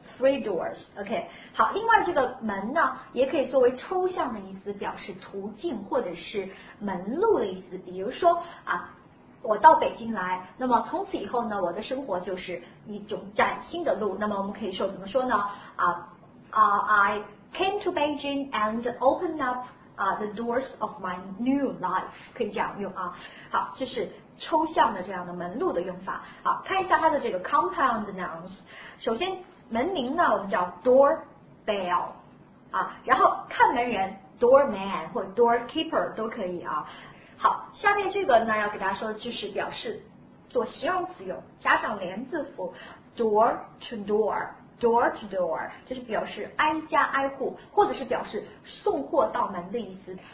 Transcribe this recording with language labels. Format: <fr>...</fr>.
<en>Three doors, OK.</en> <zh>好，另外这个门呢，也可以作为抽象的意思，表示途径或者是门路的意思。比如说啊，我到北京来，那么从此以后呢，我的生活就是一种崭新的路。那么我们可以说怎么说呢？</zh> <en>I came to Beijing and opened up the doors of my new life.</en> <zh>可以这样用啊。好，这是抽象的这样的门路的用法。好，看一下它的这个 compound nouns。首先门铃呢，我们叫 door bell 啊，然后看门人 door man 或 door keeper 都可以啊。好，下面这个呢，要给大家说的就是表示做形容词用，加上连字符 door to door， door to door 就是表示挨家挨户，或者是表示送货到门的意思。</zh>